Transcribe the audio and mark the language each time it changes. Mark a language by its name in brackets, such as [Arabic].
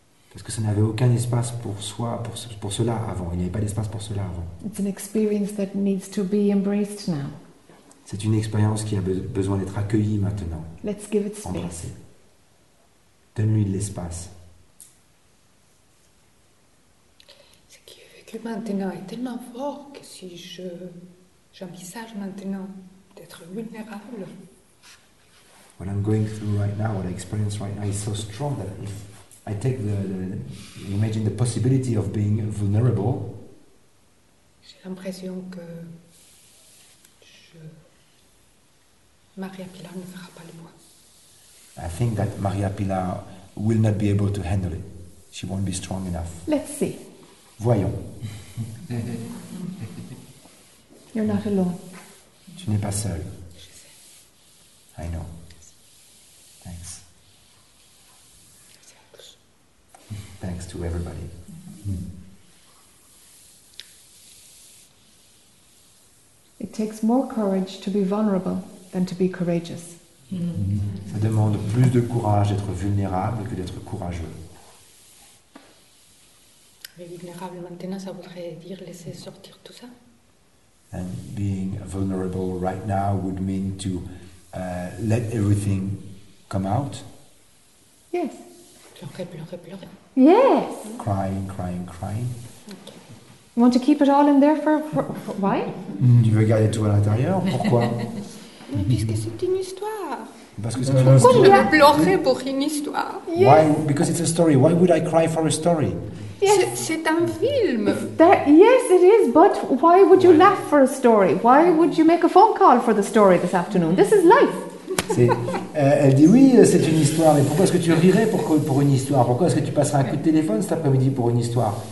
[French] Parce que ça n'avait aucun espace pour soi, pour cela avant. Il n'y avait pas d'espace pour cela avant. [English] It's an experience that needs to be embraced now. [French] C'est une expérience qui a besoin d'être accueillie maintenant. [English] Let's give it space. [French] Donne-lui de l'espace. Ce qui est vécu maintenant est tellement fort que si je... J'envisage maintenant d'être vulnérable. [English] What I'm going through right now, what I experience right now, is so strong that if I take imagine the possibility of being vulnerable. [French] J'ai l'impression que Maria Pilar ne fera pas le moins. [English] I think that Maria Pilar will not be able to handle it. She won't be strong enough. Let's see. [French] Voyons. [English] You're not alone. [French] Tu n'es pas seul. Je sais. [English] I know. Thanks. Thanks to everybody. It takes more courage to be vulnerable than to be courageous. [French] Ça demande plus de courage d'être vulnérable que d'être courageux. Mais vulnérable maintenant, ça voudrait dire laisser sortir tout ça? [English] And being vulnerable right now would mean to let everything come out. Yes. [French] Pleurer. [English] Yes. Crying. Okay. You want to keep it all in there for why? [French] Tu veux garder tout à l'intérieur? Pourquoi? Puisque c'est une histoire. Parce que c'est une histoire. Pourquoi pleurer pour une histoire? [English] Yes. Why? Because it's a story. Why would I cry for a story? [French] Yes. C'est un film. [English] Yes, it is, but why would you laugh for a story? Why would you make a phone call for the story this afternoon? This is life. [French] Elle dit oui, c'est une histoire, mais pourquoi est-ce que tu rirais pour une histoire? Pourquoi est-ce que tu passerais un coup de téléphone cet après-midi pour une histoire?